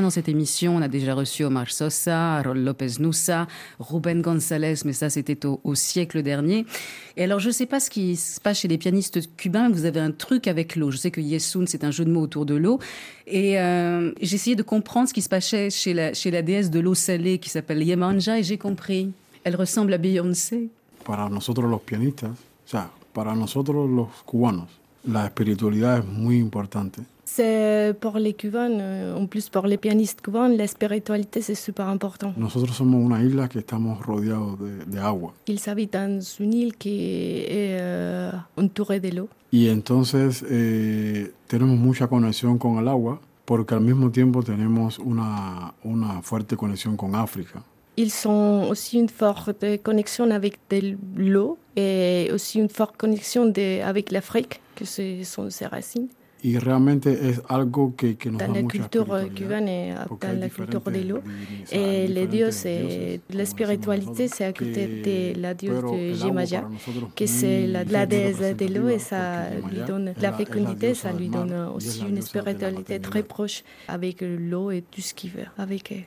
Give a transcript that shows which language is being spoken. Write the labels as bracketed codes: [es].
[fr] Dans cette émission, on a déjà reçu Omar Sosa, Harold López Nussa, Rubén González, mais ça, c'était au siècle dernier. Et alors, je ne sais pas ce qui se passe chez les pianistes cubains, mais vous avez un truc avec l'eau. Je sais que Yesun, c'est un jeu de mots autour de l'eau. Et j'ai essayé de comprendre ce qui se passait chez la déesse de l'eau salée qui s'appelle Yemanja, et j'ai compris. Elle ressemble à Beyoncé. [es] Para nosotros los pianistas, o sea, para nosotros los cubanos, la espiritualidad es muy importante. [fr] C'est pour les cubains, en plus pour les pianistes cubains, la spiritualité c'est super important. [es] Nosotros somos una isla que estamos rodeados de agua. [fr] Ils habitent dans une île qui est entourée de l'eau. [es] Y entonces tenemos mucha conexión con el agua, porque al mismo tiempo tenemos una fuerte conexión con África. [fr] Ils sont aussi une forte connexion avec l'eau et aussi une forte connexion avec l'Afrique, que ce sont ses racines. Et vraiment, c'est quelque chose qui nous dans la culture cubaine et dans la culture de l'eau. Et les dieux, c'est la spiritualité, c'est à côté de la dieuse de Jemaya, qui est la déesse de l'eau et ça lui donne la fécondité, ça lui donne aussi une spiritualité très proche avec l'eau et tout ce qu'il veut avec elle.